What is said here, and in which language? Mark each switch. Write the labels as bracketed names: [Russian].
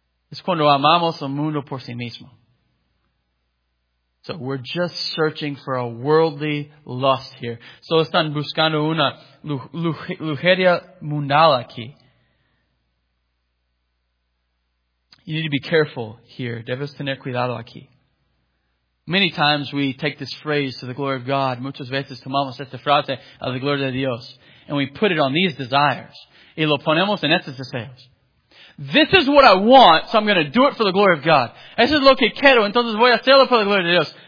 [Spanish] Es cuando amamos el mundo por sí mismo. [English] So we're just searching for a worldly lust here. [Spanish] So están buscando una lujuria mundial aquí. [English] You need to be careful here. [Spanish] Debes tener cuidado aquí. [English] Many times we take this phrase to the glory of God. [Spanish] Muchas veces tomamos esta frase a la gloria de Dios. [English] And we put it on these desires. [Spanish] Y lo ponemos en estos deseos. [English] This is what I want, so I'm going to do it for the glory of God. [Spanish] Eso es lo que quiero, entonces voy a hacerlo por la gloria de Dios.